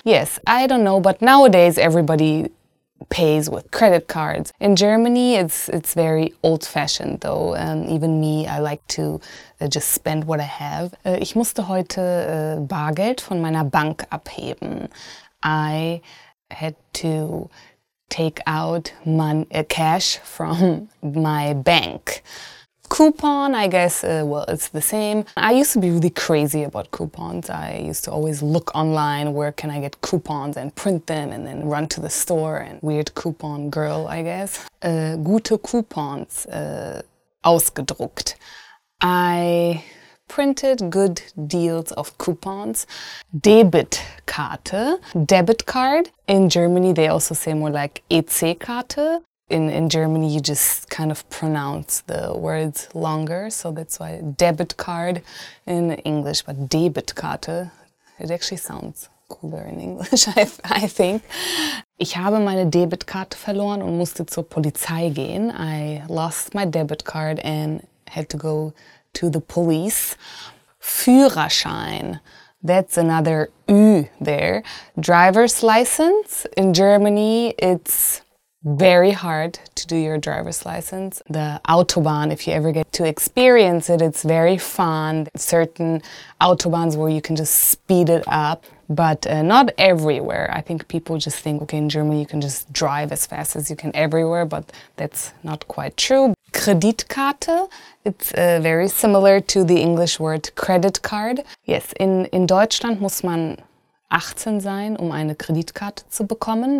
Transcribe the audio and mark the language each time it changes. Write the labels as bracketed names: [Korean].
[English] Yes, I don't know, but nowadays everybody pays with credit cards. In Germany, it's very old-fashioned though. Even me, I like to just spend what I have. [German] Ich musste heute Bargeld von meiner Bank abheben. [English] I had to take out cash from my bank. Coupon, I guess, it's the same. I used to be really crazy about coupons. I used to always look online, where can I get coupons and print them and then run to the store and weird coupon girl, I guess. [German] Gute Coupons, ausgedruckt. [English] I printed good deals of coupons. [German] Debitkarte, debit card. [English] In Germany, they also say more like EC-Karte. In Germany, you just kind of pronounce the words longer, so that's why debit card in English, but Debitkarte, it actually sounds cooler in English, I think. [German] Ich habe meine Debitkarte verloren und musste zur Polizei gehen. [English] I lost my debit card and had to go to the police. Führerschein. That's another Ü there. Driver's license. In Germany, it's very hard to do your driver's license. The Autobahn, if you ever get to experience it, it's very fun. Certain Autobahns where you can just speed it up, but not everywhere. I think people just think, okay, in Germany you can just drive as fast as you can everywhere, but that's not quite true. Kreditkarte, it's very similar to the English word credit card. [German] Yes, in Deutschland muss man 18 sein, um eine Kreditkarte zu bekommen.